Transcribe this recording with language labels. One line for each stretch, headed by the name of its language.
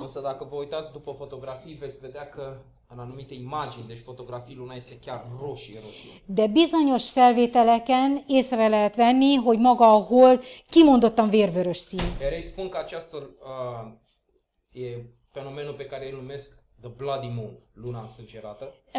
Romanian: Însă dacă vă uitați după fotografii, veți vedea că în anumite imagini, deci fotografii, luna este chiar roșie.
Hungarian: De bizonyos felvételeken észre lehet venni, hogy maga a hold kimondottan vérvörös színű.
Romanian: Erre spun că aceasta e fenomenul pe care îl numesc
English: the bloody moon,
Romanian: luna însângerată.